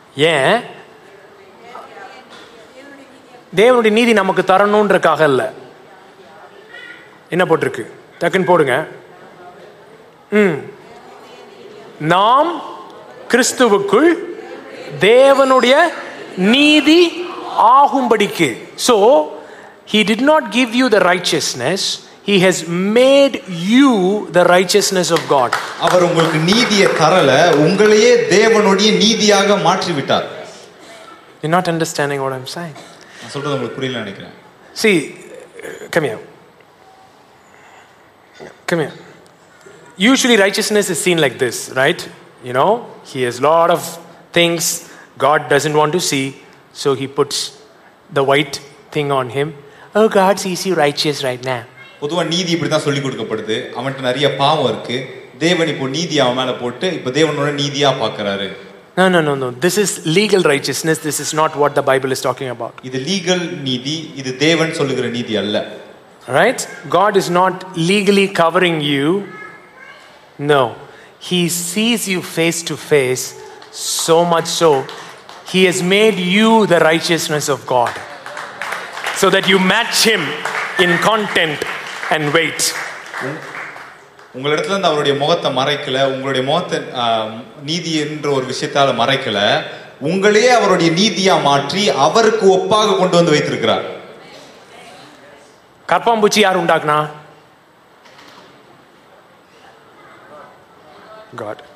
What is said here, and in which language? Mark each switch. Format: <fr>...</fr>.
<ta>ஏன், தேவனுடைய நீதி நமக்கு தரணும்ன்றக்காக இல்ல. என்ன போட்டிருக்கு, டக்குன்னு போடுங்க, நாம் கிறிஸ்துவுக்குள் தேவனுடைய நீதி ஆகும்படிக்கு.</ta> <en>So He did not give you the righteousness. He has made you the righteousness of God.</en> <ta>அவர் உங்களுக்கு நீதியை தரல, உங்களையே தேவனுடைய நீதியாக மாற்றி விட்டார்.</ta> <en>You're not understanding what I'm saying. நான் சொல்றது உங்களுக்கு புரியல நினைக்கிறேன். See, come here. Come here. Usually righteousness is seen like this, right? You know, he has a lot of things God doesn't want to see, so he puts the white thing on him. Oh, God sees you righteous right now.</en> <ta>பொதுவா நீதி இப்படி தான் சொல்லி கொடுக்கப்படுது. அவன்ட்ட நிறைய பாவம் இருக்கு. தேவன் இப்போ நீதி அவன் மேல போட்டு இப்போ தேவனோட நீதியா பார்க்கறாரு.</ta> <en>No. This is legal righteousness. This is not what the Bible is talking about.</en> <ta>இது legal நீதி. இது தேவன் சொல்லுகிற நீதி அல்ல.</ta> <en>Right? God is not legally covering you. No. He sees you face to face, so much so he has made you the righteousness of God. So that you match him in content and weight.</en> <ta>உங்கள இடத்துல இருந்து அவருடைய முகத்தை மறைக்கல, உங்களுடைய முகத்தை நீதி என்ற ஒரு விஷயத்தால மறைக்கல, உங்களையே அவருடைய நீதியா மாற்றி அவருக்கு ஒப்பாக கொண்டு வந்து வைத்திருக்கிறார். கற்பாம்பூச்சி யார் உண்டாக்குனா, God.</ta>